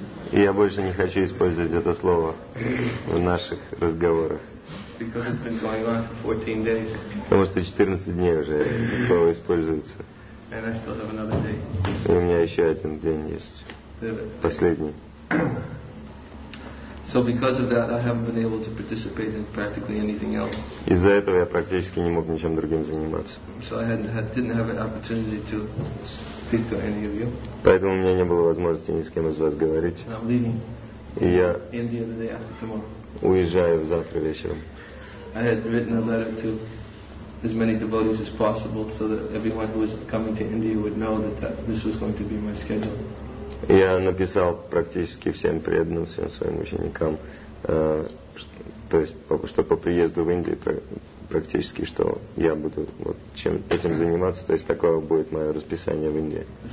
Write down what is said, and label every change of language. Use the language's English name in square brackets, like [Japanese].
[Russian] И я больше не хочу использовать это слово в наших разговорах. Потому что 14 дней уже это слово используется. И у меня еще один день есть. Последний. [English] So because of that, I haven't been able to participate in practically anything else. [Russian] Из-за этого я практически не мог ничем другим заниматься. [English] So I didn't have an opportunity to speak to any of you. [Russian] Поэтому у меня не было возможности ни с кем из вас говорить. [English] And I'm leaving. [Russian] И я [English] India the day after tomorrow. [Russian] Уезжаю завтра вечером. [English] I had written a letter to as many devotees as possible, so that everyone who was coming to India would know that this was going to be my schedule. [Russian] Я написал практически всем преданным, всем своим ученикам, то есть, что по приезду в Индию практически, что я буду вот чем этим заниматься, то есть такое будет мое расписание в Индии.